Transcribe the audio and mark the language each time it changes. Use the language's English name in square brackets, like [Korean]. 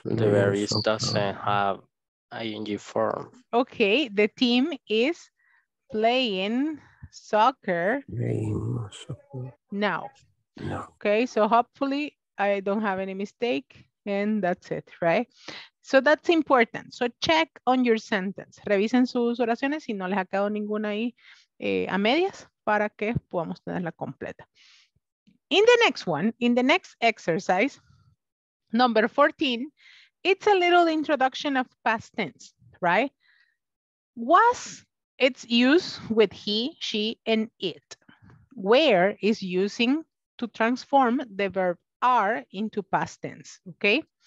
[English] playing. The verb doesn't have ing form. Okay, the team is playing soccer. Playing soccer. Now. No. Okay, so hopefully I don't have any mistake and that's it, right? So that's important. So check on your sentence. [Spanish] Revisen sus oraciones si no les ha quedado ninguna ahí a medias para que podamos tenerla completa. [English] In the next one, in the next exercise, number 14, it's a little introduction of past tense, right? Was, it's used with he, she, and it. Where is using to transform the verb are into past tense, okay?